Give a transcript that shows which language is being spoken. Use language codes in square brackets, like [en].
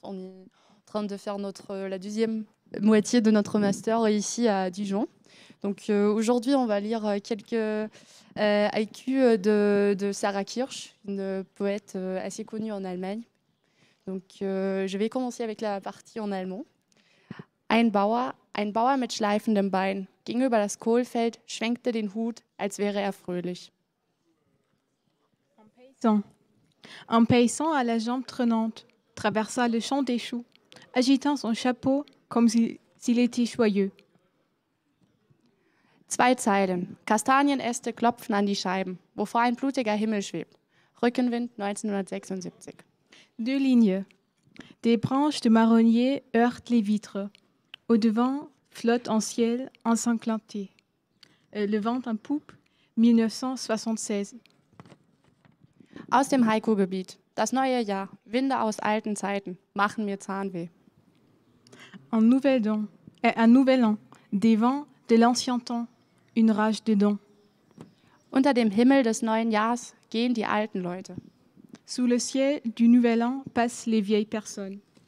[fr] On est en train de faire la deuxième moitié de notre master ici à Dijon. Donc, aujourd'hui, on va lire quelques haïkus de Sarah Kirch, une poète assez connue en Allemagne. Donc, je vais commencer avec la partie en allemand. [de] Ein Bauer mit schleifendem Bein ging über das Kohlfeld, schwenkte den Hut, als wäre fröhlich. [fr] Un paysan à la jambe traînante traversa le champ des choux, agitant son chapeau comme s'il était joyeux. [de] Zwei Zeilen. Kastanienäste klopfen an die Scheiben, wovor ein blutiger Himmel schwebt. Rückenwind 1976. [fr] Deux lignes. Des branches de marronnier heurtent les vitres. Au devant flotte en ciel un sanglanté. Le vent en poupe 1976. [de] Aus dem Haiku-Gebiet. Das neue Jahr. Winde aus alten Zeiten. Machen mir Zahnweh. [fr] Un nouvel an. Des vents de l'ancien temps. Une rage de dents. [de] Unter dem Himmel des neuen Jahres gehen die alten Leute. [fr] Sous le ciel du nouvel an passent les vieilles personnes.